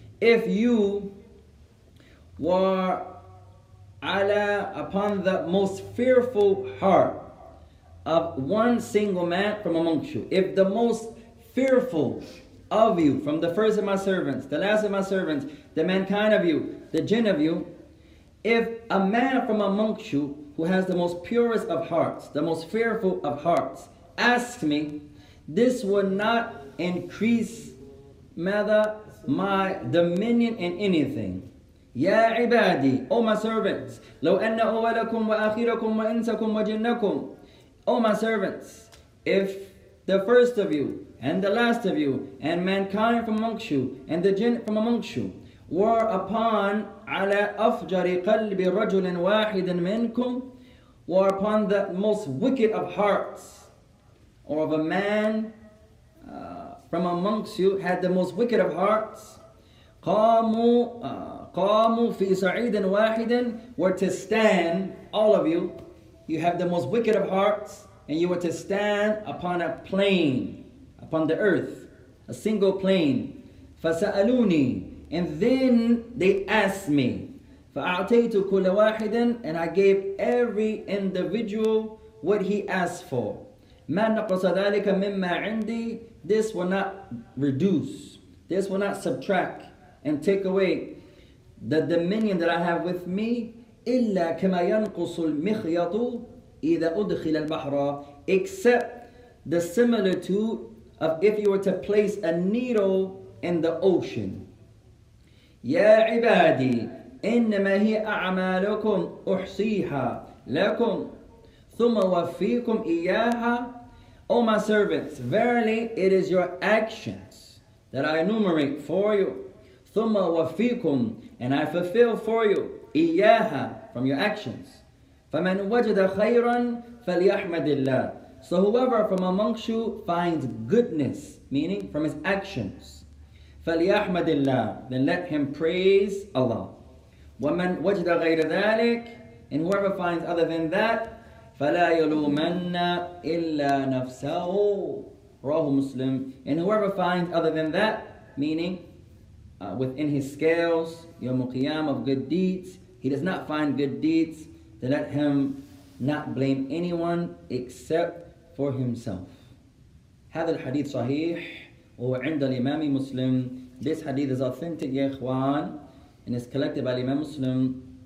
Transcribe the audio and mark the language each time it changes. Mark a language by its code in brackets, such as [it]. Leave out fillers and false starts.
[en] If you were upon the most fearful heart of one single man from amongst you, if the most fearful of you, from the first of my servants, the last of my servants, the mankind of you, the jinn of you, if a man from amongst you who has the most purest of hearts, the most fearful of hearts, asks me, this would not increase my dominion in anything. [ar] Ya ibadi, [en] O my servants, [ar] لو أن أولكم وآخركم وإنسكم وجنكم. [en] O my servants, if the first of you and the last of you and mankind from amongst you and the jinn from amongst you were upon [ar] على أفجر قلب رجل واحد منكم, [en] were upon the most wicked of hearts, or of a man from amongst you had the most wicked of hearts, [ar] قاموا في صعيد واحد, [en] were to stand, all of you, you have the most wicked of hearts, and you were to stand upon a plane, upon the earth, a single plane. [ar] فسألوني, [en] and then they asked me. [ar] فأعطيت كل واحد, [en] and I gave every individual what he asked for. [ar] ما نقص ذلك مما عندي. [en] This will not reduce, this will not subtract and take away the dominion that I have with me. [ar] إلا كما ينقص المخيط إذا أدخل البحر. [en] Except the similitude of if you were to place a needle in the ocean. [ar] يا عبادي إنما هي أعمالكم أحصيها لكم ثم وفيكم إياها. [en] O my servants, verily it is your actions that I enumerate for you. [ar] ثم وفيكم, [en] and I fulfill for you. [ar] إياها, [en] from your actions. [ar] فمن وجد خيرا فليحمد الله. [en] So whoever from amongst you finds goodness, meaning from his actions, [ar] فليحمد الله, [en] then let him praise Allah. [ar] ومن وجد غير ذلك, [en] and whoever finds other than that, [ar] فلا يلومن إلا نفسه. رواه مسلم. [en] And whoever finds other than that, meaning within his scales, [ar] يوم القيام, [en] of good deeds, he does not find good deeds, then let him not blame anyone except for himself. [ar] هذا الحديث صحيح وعند الإمام مسلم. [en] This hadith is authentic, [ar] يا إخوان, [en] and is collected by Imam Muslim.